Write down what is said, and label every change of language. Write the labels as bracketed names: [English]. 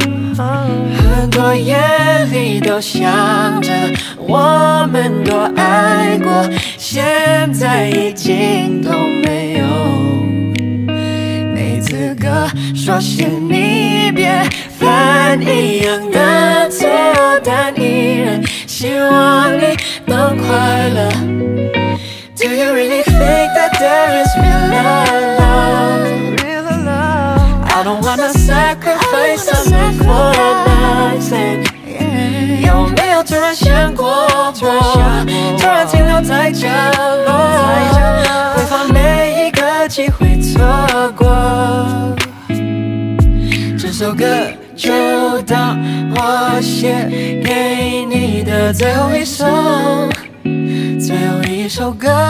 [Chinese] 很多夜里都想着我们多爱过，现在已经都没有，没资格说是你别犯一样的错，但依然希望你能快乐。 [English] Do you really think that there is real love? I don't wanna sacrifice our love for nothing。 [Chinese] 有没有突然想过我突然停留在角落，回放每一个机会错过。这首歌就当我写给你的最后一首，最后一首歌。